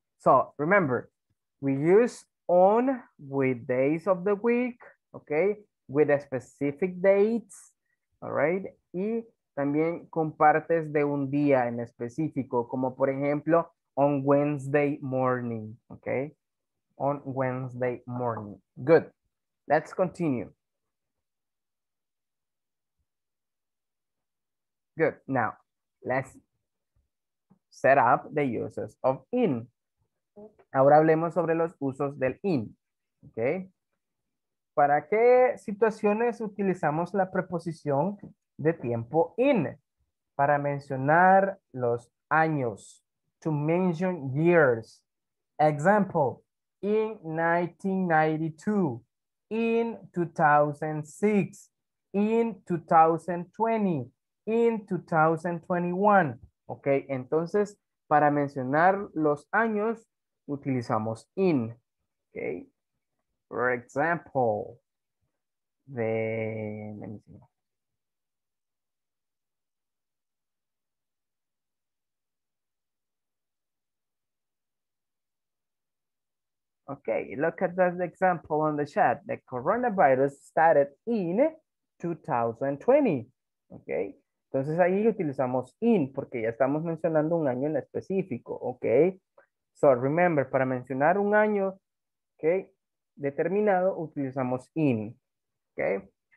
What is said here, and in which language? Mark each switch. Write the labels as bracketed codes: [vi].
[en] So remember, we use on with days of the week, okay? With a specific dates, all right? [es] Y también con partes de un día en específico, como por ejemplo, [en] on Wednesday morning, [es] okay? [en] On Wednesday morning. Good. Let's continue. Good. Now, let's set up the uses of in. [es] Ahora hablemos sobre los usos del in. Okay. ¿Para qué situaciones utilizamos la preposición de tiempo in? Para mencionar los años. [en] To mention years. Example, in 1992, in 2006, in 2020, in 2021. [es] Ok, entonces, para mencionar los años, utilizamos in. [en] Ok, for example, let me see. Ok, look at that example on the chat. The coronavirus started in 2020. Ok. [es] Entonces ahí utilizamos in porque ya estamos mencionando un año en específico, ¿ok? [en] So remember, [es] para mencionar un año, ¿ok? Determinado, utilizamos in, ¿ok?